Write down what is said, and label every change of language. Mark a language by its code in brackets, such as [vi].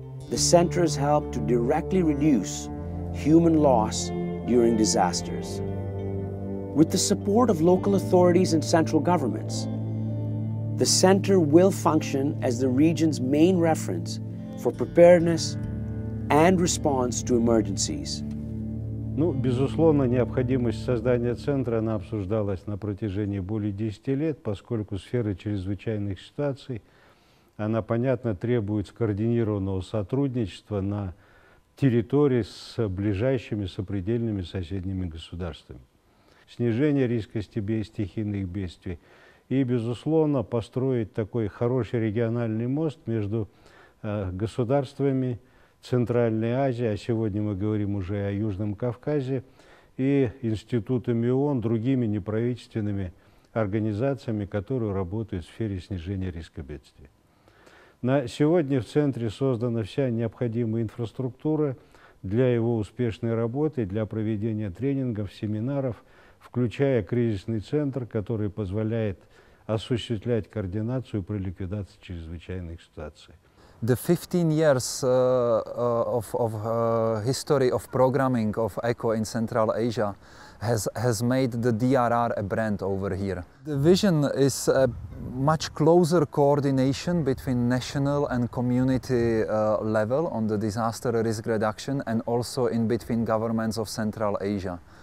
[en] The center has helped to directly reduce human loss during disasters. With the support of local authorities and central governments, the center will function as the region's main reference for preparedness and response to emergencies. [ru] Ну, безусловно, необходимость создания центра она обсуждалась на протяжении более 10 лет, поскольку сфера чрезвычайных ситуаций, она, понятно, требует скоординированного сотрудничества на территории с ближайшими сопредельными соседними государствами. Снижение риска стихийных бедствий и, безусловно, построить такой хороший региональный мост между государствами Центральной Азии, а сегодня мы говорим уже о Южном Кавказе, и институтами ООН, другими неправительственными организациями, которые работают в сфере снижения риска бедствий. На сегодня в центре создана вся необходимая инфраструктура для его успешной работы, для проведения тренингов, семинаров, включая кризисный центр, который позволяет осуществлять координацию при ликвидации чрезвычайных ситуаций. [en] The 15 years of history of programming of ECHO in Central Asia has made the DRR a brand over here. The vision is a much closer coordination between national and community level on the disaster risk reduction and also in between governments of Central Asia.